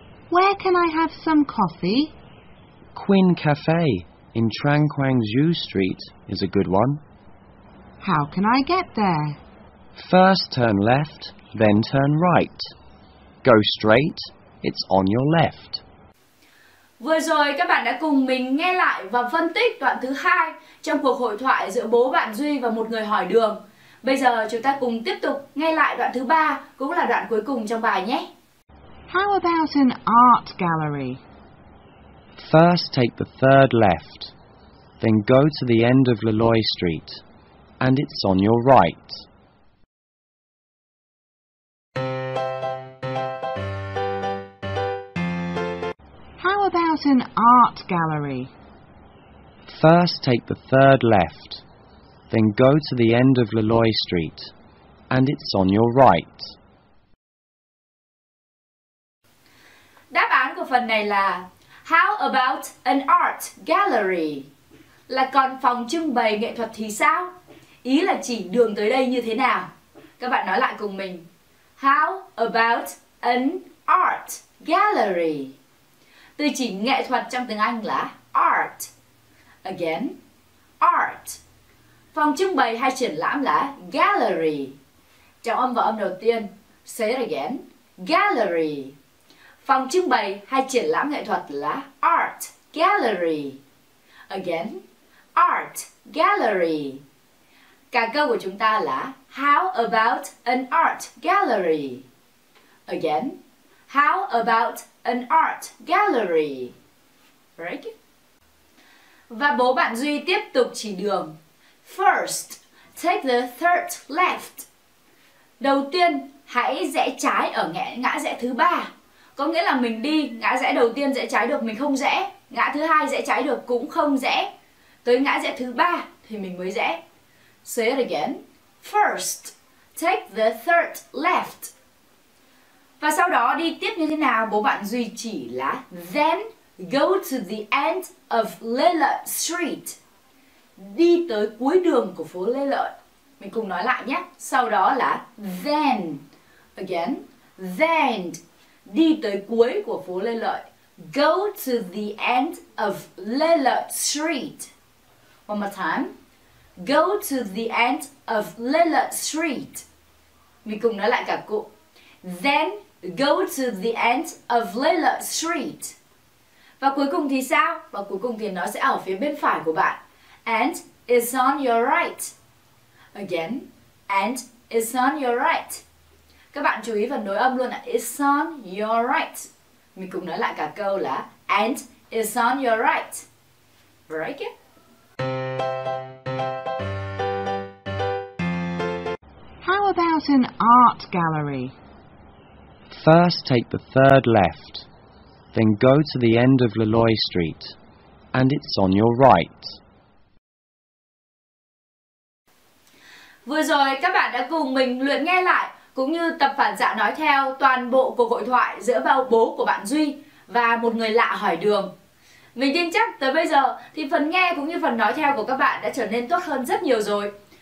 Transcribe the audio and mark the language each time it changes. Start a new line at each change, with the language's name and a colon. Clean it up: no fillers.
English: Where can I have some coffee? Quinn Cafe in Trang Quang Ju Street is a good one. How can I get there? First turn left, then turn right. Go straight, it's on your left.
Vietnamese: Vừa rồi các bạn đã cùng mình nghe lại và phân tích đoạn thứ 2 trong cuộc hội thoại giữa bố bạn Duy và một người hỏi đường. Bây giờ chúng ta cùng tiếp tục nghe lại đoạn thứ 3, cũng là đoạn cuối cùng trong bài nhé.
English: How about an art gallery? First take the third left, then go to the end of Leloy Street, and it's on your right. How about an art gallery? First take the third left, then go to the end of Leloy Street, and it's on your right.
Vietnamese: Đáp án của phần này là
English: how about an art gallery?
Vietnamese: Là còn phòng trưng bày nghệ thuật thì sao? Ý là chỉ đường tới đây như thế nào? Các bạn nói lại cùng mình.
English: How about an art gallery?
Vietnamese: Từ chỉ nghệ thuật trong tiếng Anh là art.
English: Again, art.
Vietnamese: Phòng trưng bày hay triển lãm là gallery. Trọng âm và âm đầu tiên.
English: Say it again. Gallery.
Vietnamese: Phòng trưng bày hay triển lãm nghệ thuật là art gallery.
English: Again, art gallery.
Vietnamese: Cả câu của chúng ta là
English: how about an art gallery? Again, how about an art gallery? Right?
Vietnamese: Và bố bạn Duy tiếp tục chỉ đường.
English: First, take the third left.
Vietnamese: Đầu tiên, hãy rẽ trái ở ngã rẽ thứ 3. Có nghĩa là mình đi ngã rẽ đầu tiên rẽ trái được mình không rẽ, ngã thứ 2 rẽ trái được cũng không rẽ. Tới ngã rẽ thứ 3 thì mình mới rẽ.
English: Say it again. First, take the third left.
Vietnamese: Và sau đó đi tiếp như thế nào? Bố bạn Duy chỉ là
English: then go to the end of Lê Lợi Street.
Vietnamese: Đi tới cuối đường của phố Lê Lợi. Mình cùng nói lại nhé. Sau đó là then.
English: Again, then.
Vietnamese: Đi tới cuối của phố Lê Lợi.
English: Go to the end of Lê Lợi Street. One more time. Go to the end of Lê Lợi Street.
Vietnamese: Mình cùng nói lại cả cụ.
English: Then go to the end of Lê Lợi Street.
Vietnamese: Và cuối cùng thì sao? Và cuối cùng thì nó sẽ ở phía bên phải của bạn.
English: And it's on your right. Again, and it's on your right.
Vietnamese: Các bạn chú ý phần nối âm luôn ạ.
English: It's on your right.
Vietnamese: Mình cùng nói lại cả câu là
English: and it's on your right. Very good. How about an art gallery? First take the third left, then go to the end of Leloy Street, and it's on your right.
Vietnamese: Vừa rồi các bạn đã cùng mình luyện nghe lại cũng như tập phản xạ nói theo toàn bộ cuộc hội thoại giữa bao bố của bạn Duy và một người lạ hỏi đường. Mình tin chắc tới bây giờ thì phần nghe cũng như phần nói theo của các bạn đã trở nên tốt hơn rất nhiều rồi.